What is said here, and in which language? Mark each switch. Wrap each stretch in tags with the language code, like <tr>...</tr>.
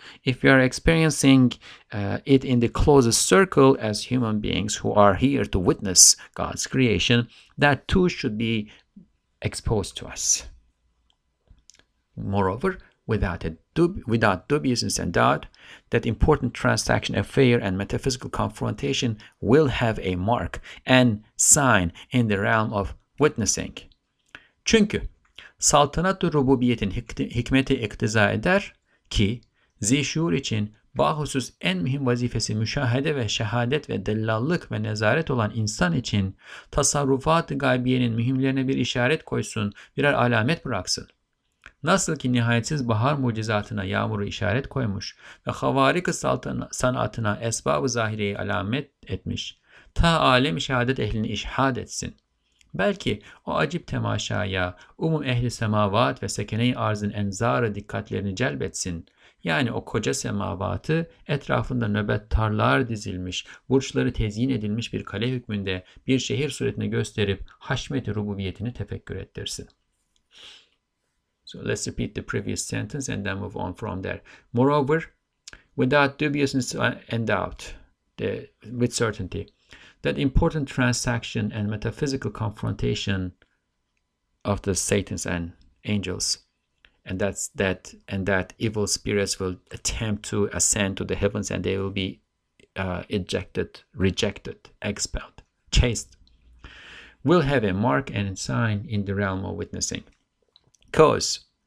<en>If you are experiencing it in the closest circle as human beings who are here to witness God's creation, that too should be exposed to us. Moreover, without dubiousness and doubt, that important transaction, affair, and metaphysical confrontation will have a mark and sign in the realm of witnessing.</en> <tr>Çünkü saltanat-ı rububiyetin hikmeti iktiza eder ki, zişur için bahusus en mühim vazifesi müşahede ve şehadet ve dellallık ve nezaret olan insan için tasarrufat-ı gaybiyenin mühimlerine bir işaret koysun, birer alamet bıraksın. Nasıl ki nihayetsiz bahar mucizatına yağmuru işaret koymuş ve havarik-ı sanatına esbab-ı zahireyi alamet etmiş, ta alem-i şehadet ehlini işhad etsin. Belki o acip temaşaya umum ehli semavat ve sekene-i arzın enzarı dikkatlerini celbetsin. Yani o koca semavatı etrafında nöbet tarlar dizilmiş, burçları tezyin edilmiş bir kale hükmünde bir şehir suretine gösterip haşmet-i rububiyetini tefekkür ettirsin.</tr> <en>So let's repeat the previous sentence and then move on from there. Moreover, without dubiousness and doubt, with certainty, that important transaction and metaphysical confrontation of the Satans and angels, and that evil spirits will attempt to ascend to the heavens and they will be ejected, rejected, expelled, chased, will have a mark and sign in the realm of witnessing. Because</en>